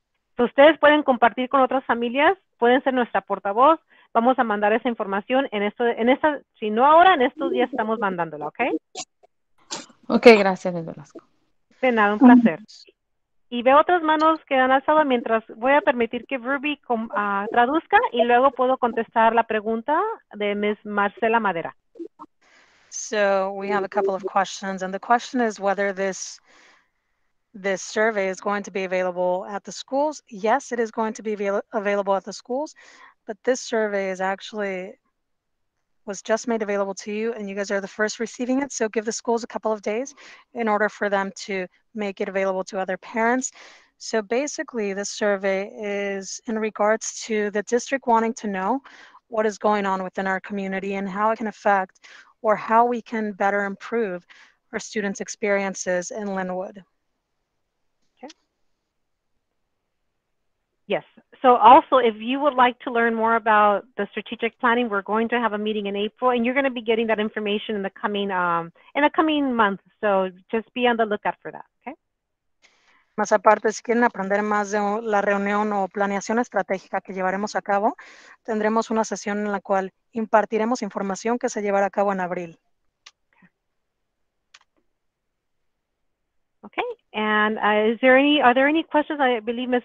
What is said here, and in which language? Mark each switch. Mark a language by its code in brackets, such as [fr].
[es] Entonces, ustedes pueden compartir con otras familias, pueden ser nuestra portavoz, vamos a mandar esa información si no ahora, en estos días estamos mandándola, ¿ok? Ok, gracias, Velasco. De nada, un placer. Y veo otras manos que han alzado mientras voy a permitir que Ruby traduzca y luego puedo contestar la pregunta de Ms. Marcela Madera. [en] So we have a couple of questions, and the question is whether this survey is going to be available at the schools. Yes, it is going to be available at the schools, but this survey is actually was just made available to you, and you guys are the first receiving it. So give the schools a couple of days in order for them to make it available to other parents. So basically, this survey is in regards to the district wanting to know what is going on within our community and how it can affect or how we can better improve our students' experiences in Lynwood. Yes. So also, if you would like to learn more about the strategic planning, we're going to have a meeting in April, and you're going to be getting that information in the coming month. So just be on the lookout for that, okay? [es] Más aparte, si quieren aprender más de la reunión o planeación estratégica que llevaremos a cabo, tendremos una sesión en la cual impartiremos información que se llevará a cabo en abril. [en] Okay, and are there any questions? I believe Ms.